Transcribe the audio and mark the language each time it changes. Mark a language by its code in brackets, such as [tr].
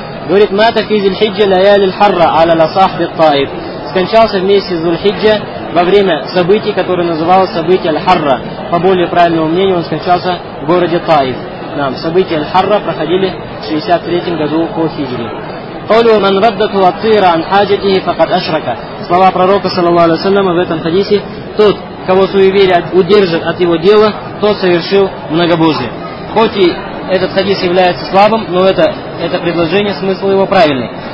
[ru] Говорит, «Мата фи зуль-хиджа лаялиль харра аля ласахби ат-Таиф». Скончался вместе с зуль-хиджа во время событий, которое называлось событие аль-харра. По более правильному мнению, он скончался в городе Таиф. نعم события الحرة проходили в 63 году по хиджре. [ar] قولوا من ردت الطير عن حاجته فقد أشرك. [ru] Слова пророка саллаллаху алейхи ва саллям в этом хадисе: тот, кого суеверие удержит от его дела, тот совершил многобожие. Хоть и этот хадис является слабым, но это предложение, смысл его правильный.